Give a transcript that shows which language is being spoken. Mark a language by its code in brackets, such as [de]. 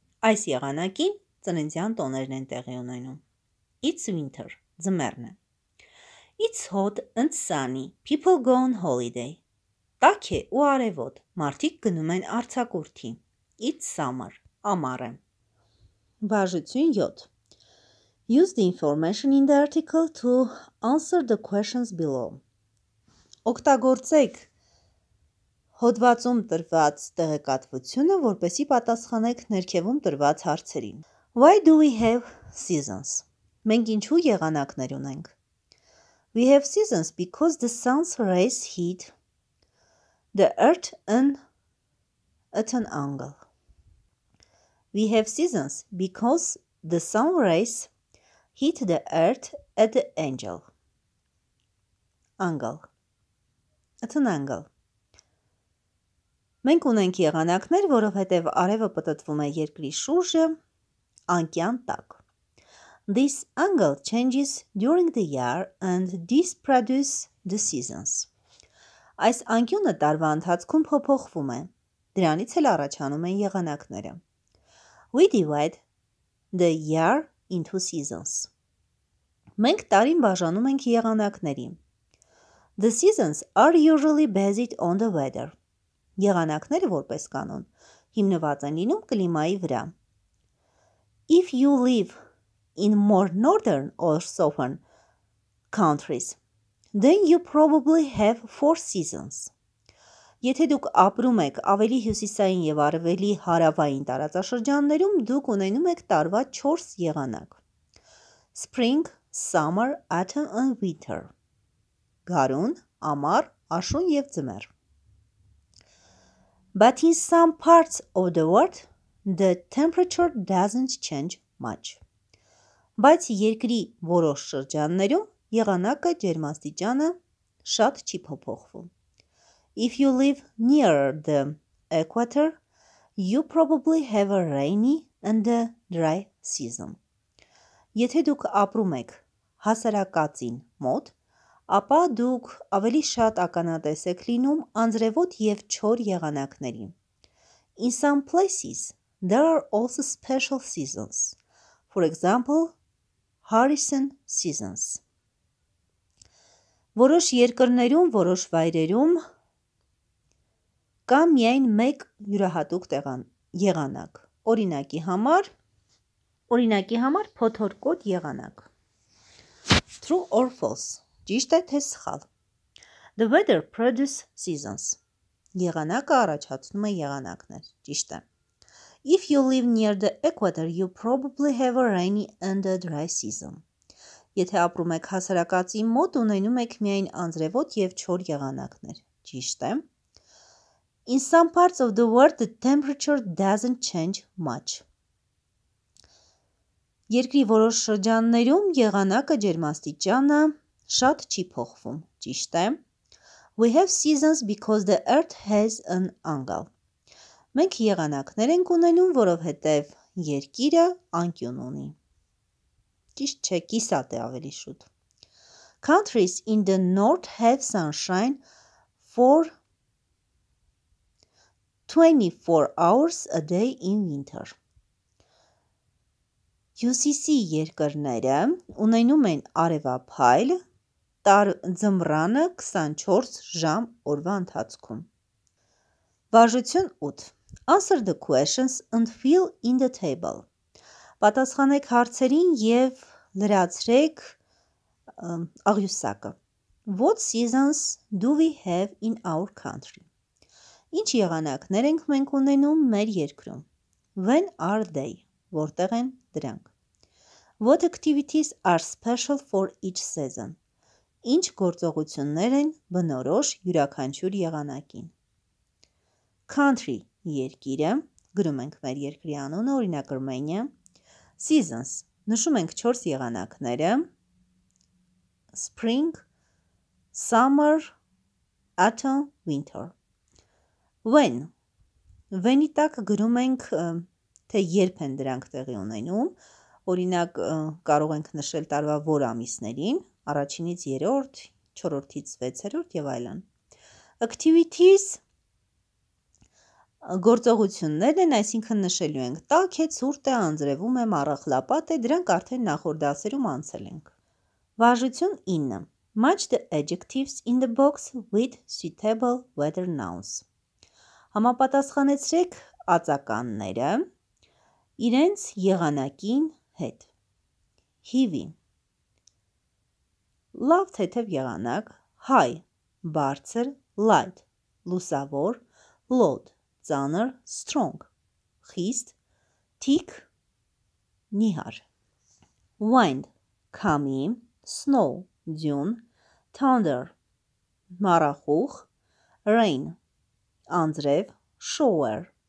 [hy] Այս եղանակին ծննդյան տոներն են տեղի ունենում. [en] It's winter. [hy] Ձմեռն է. [en] It's hot and sunny. People go on holiday. [hy] Տաք է ու արևոտ. Մարդիկ գնում են արձակուրդի. [en] It's summer. [hy] Ամառ է. Բաժություն 7. [en] Use the information in the article to answer the questions below. [hy] Օգտագործեք հոդվածում տրված տեղեկատվությունը, որպեսի պատասխանեք ներքևում տրված հարցերին. [en] Why do we have seasons? [hy] Մենք ինչու եղանակներ ունենք? [en] We have seasons because the sun's rays heat the earth at an angle. We have seasons because the sun rays heat the earth at the angle. At an angle. [hy] Մենք ունենք եղանակներ, որովհետև արևը պտտվում է երկրի շուրջը, անկյան տակ. [en] This angle changes during the year and this produces the seasons. [hy] Այս անկյունը տարվա ընթացքում փոփոխվում է, դրանից էլ առաջանում են եղանակները. [en] We divide the year into seasons. [hy] Մենք տարին բաժանում ենք եղանակների. [en] The seasons are usually based on the weather. [hy] Եղանակները որպես կանոն հիմնված են լինում կլիմայի վրա. [en] If you live in more northern or southern countries, then you probably have four seasons. [hy] Եթե դուք ապրում եք ավելի հյուսիսային եւ արևելի հարավային տարածաշրջաններում, դուք ունենում եք տարվա 4 եղանակ. [en] Spring, summer, autumn and winter. [hy] Գարուն, ամառ, աշուն և ձմեր. [en] But in some parts of the world, the temperature doesn't change much. [hy] Բայց երկրի որոշ շրջաններում եղանակը ջերմաստիճանը շատ չի փոփոխվում. [en] If you live near the equator, you probably have a rainy and a dry season. [hy] Եթե դուք ապրում եք հասարակածին մոտ, ապա դուք ավելի շատ ականատես եք լինում անձրևոտ և չոր եղանակներին. [en] In some places, there are also special seasons. For example, Harrison seasons. [hy] Որոշ երկրներում, որոշ վայրերում կամ միայն մեկ յուրահատուկ եղանակ, օրինակի համար փոթորկոտ եղանակ. [en] True or false? [hy] Ճիշտ է թե սխալ? [en] The weather produces seasons. [hy] Եղանակը առաջացնում է եղանակներ, ճիշտ է. [en] If you live near the equator, you probably have a rainy and a dry season. [hy] Եթե ապրում եք հասարակածի մոտ, ունենում եք միայն անձրևոտ և չոր եղանակներ, ճիշտ է. [en] In some parts of the world, the temperature doesn't change much. [hy] Երկրի որոշ շրջաններում եղանակը ջերմաստիճանը շատ չի փոխվում, ճիշտ է. [en] We have seasons because the earth has an angle. [hy] Մենք եղանակներ ենք ունենում, որովհետև երկիրը անկյուն ունի. Ճիշտ չէ, կիսատ է ավելի շուտ. [en] Countries in the north have sunshine for 24 hours a day in winter. [hy] UCC երկրները ունենում են արևափայլ ձմռանը 24 ժամ օրվա ընթացքում. Բաժություն 8. [en] Answer the questions and fill in the table. [hy] Պատասխանեք հարցերին և լրացրեք աղյուսակը. [en] What seasons do we have in our country? [hy] Ինչ եղանակներ ենք մենք ունենում մեր երկրում? [en] When are they? [hy] Որտեղ են դրանք? [en] What activities are special for each season? [hy] Ինչ գործողություններ են բնորոշ յուրաքանչյուր եղանակին? Country, երկիրը, գրում ենք մեր երկրի անունը, օրինակ Armenia. [en] Seasons, [hy] նշում ենք 4 եղանակները. [en] Spring, summer, autumn, winter. [hy] When, when-ի տակ գրում ենք, թե երբ են դրանք տեղի ունենում, օրինակ կարող ենք նշել տարվա որ ամիսներին, առաջինից 3-րդ, 4-րդից 6-րդ եւ այլն. Activities գործողություններն են, այսինքն նշելու ենք տաք է, ցուրտ է, անձրևում է, մառախլապատ է, դրանք արդեն նախորդ դասերում անցել ենք. Վարժություն 9. [en] Match the adjectives in the box with suitable weather nouns. [hy] Համապատասխանեցրեք ածականները իրենց եղանակին հետ. [en] Heavy. [hy] Լավ թեթև եղանակ. High. Բարձր. Light. Լուսավոր. Load. Ծանր. Strong. Խիստ. Thick. Նիհար. Wind. Kami. Snow. Ձյուն. Thunder. Մառախուղ. Rain. Անձրև. Shower.